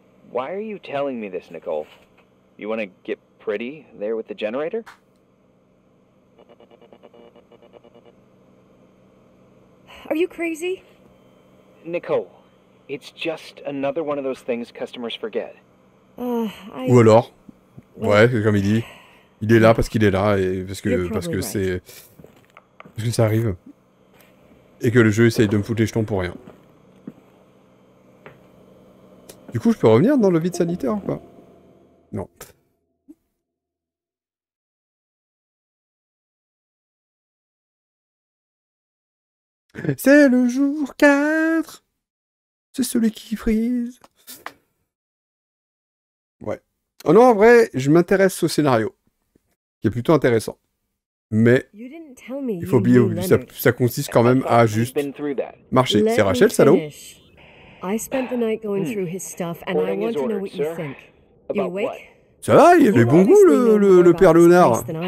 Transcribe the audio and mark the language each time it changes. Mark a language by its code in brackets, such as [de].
[en] Why are you telling me this, Nicole? You want to get pretty there with the generator? Are you crazy? Nicole. It's just another one of those things customers forget. [fr] Ou alors, ouais, comme il dit, il est là parce qu'il est là et parce que [en] right. [fr] C'est parce que ça arrive et que le jeu essaye de me foutre les jetons pour rien. Du coup, je peux revenir dans le vide sanitaire ou pas? Non. C'est le jour 4. C'est celui qui frise. Ouais. Oh non, en vrai, je m'intéresse au scénario. Qui est plutôt intéressant. Mais, il faut oublier, ça consiste quand même à juste marcher. C'est Rachel, salaud. [en] I spent the night going through his stuff and I want to know what you think. You awake? [fr] Ça va, il avait bon goût, le père Léonard.